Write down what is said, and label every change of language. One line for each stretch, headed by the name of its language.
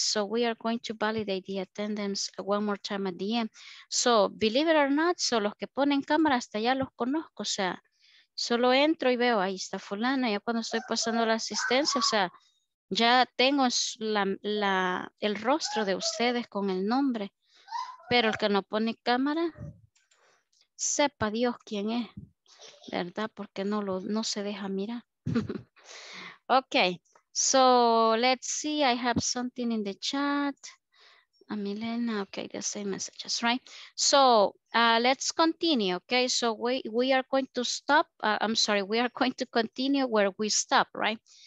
English: So we are going to validate the attendance one more time at the end. So believe it or not,
Spanish: so los que ponen cámara hasta ya los conozco. O sea, solo entro y veo ahí está fulano. Ya cuando estoy pasando la asistencia, o sea, ya tengo el rostro de ustedes con el nombre. Pero el que no pone cámara, sepa Dios quién es, ¿verdad? Porque no se deja mirar. Ok.
English: So let's see, I have something in the chat. Milena, okay, the same messages, right? So let's continue, okay? So we are going to stop, I'm sorry, we are going to continue where we stop, right?